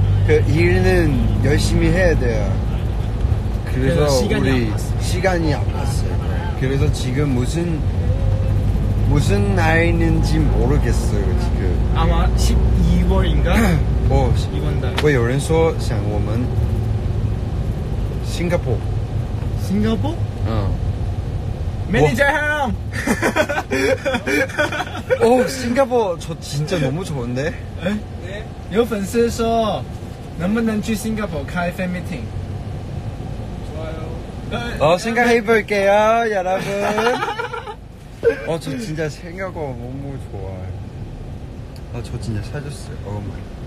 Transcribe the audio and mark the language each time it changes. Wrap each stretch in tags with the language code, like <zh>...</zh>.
<ko>그이일은열심히해야돼요그래서우리시간이안왔어요그래서지금무슨날인지모르겠어요지금 아마12월인가 어 이번달</ko> <zh>왜有人说想我们싱가포응</zh> <ko>매니저형 오싱가포저진짜너무좋은데</ko> <zh>네有粉丝说能不能去싱가포开 fan meeting</zh> <ko>좋아요 어생각해볼게요여러분어저진짜생각하고너무좋아요어저진짜사줬어요어머니</ko>